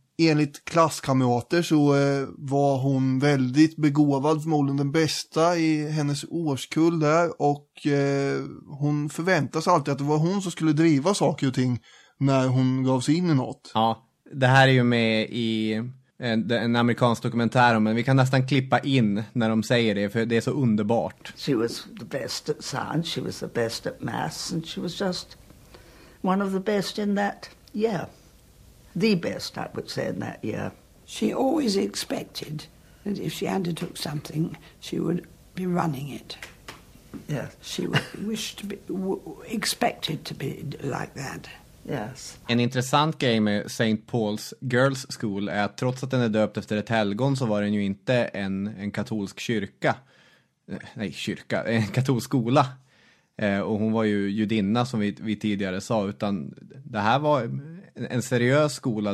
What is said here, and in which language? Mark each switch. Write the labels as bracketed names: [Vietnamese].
[Swedish] Enligt klasskamrater så var hon väldigt begåvad, förmodligen den bästa i hennes årskull där. Och hon förväntades alltid att det var hon som skulle driva saker och ting när hon gav sig in i något. Ja, det här är ju med i en amerikansk dokumentär, men vi kan nästan klippa in när de säger det, för det är så underbart. [English] She was the best at science, she was the best at maths, and she was just one of the best in that year. The best, I would say, in that year. She always expected that if she undertook something, she would be running it. Yeah. She wished to be, expected to be like that. Yes. [Swedish] En intressant grej med St. Paul's Girls School är att trots att den är döpt efter ett helgon, så var den ju inte en katolsk kyrka. Nej, kyrka. En katolsk skola. Och hon var ju judinna, som vi tidigare sa. Utan det här var en seriös skola.